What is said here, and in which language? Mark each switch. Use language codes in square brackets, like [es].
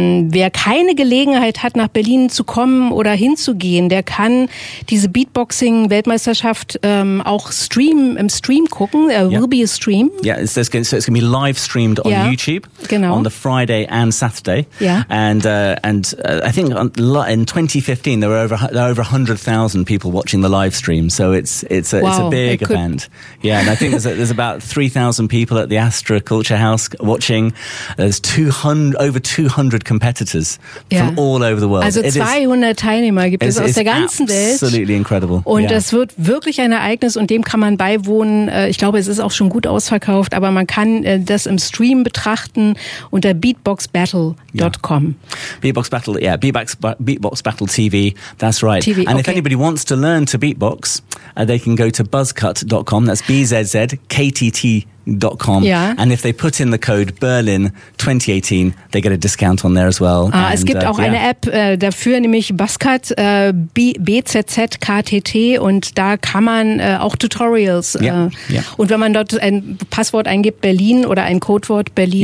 [de] Wer keine Gelegenheit hat, nach Berlin zu kommen oder hinzugehen, der kann diese Beatboxing-Weltmeisterschaft auch im Stream gucken. [en] Will be a stream. Yeah, so it's going to be live streamed on YouTube. [de] Genau. [en] On the Friday and Saturday. Yeah. And I think in 2015 there were over 100,000 people watching the live stream. So it's a big event. Yeah, and I think there's about 3,000 people at the Astra Culture House watching. There's 200 competitors from all over the world. [de] Also 200 Teilnehmer gibt es aus der ganzen Welt. [en] Absolutely incredible. [de] Und das wird wirklich ein Ereignis und dem kann man beiwohnen. Ich glaube, es ist auch schon gut ausverkauft, aber man kann das im Stream betrachten unter beatboxbattle.com. [en] Beatboxbattle TV, that's right. TV, and if anybody wants to learn to beatbox, they can go to buzzcut.com, that's BZZKTT.com. Yeah. And if they put in the code Berlin 2018, they get a discount on there as well. [de] Es gibt auch eine App dafür, nämlich Buzzcut, BZZKTT, und da kann man auch Tutorials. Und wenn man dort ein Passwort eingibt, Berlin, oder ein Codewort Berlin.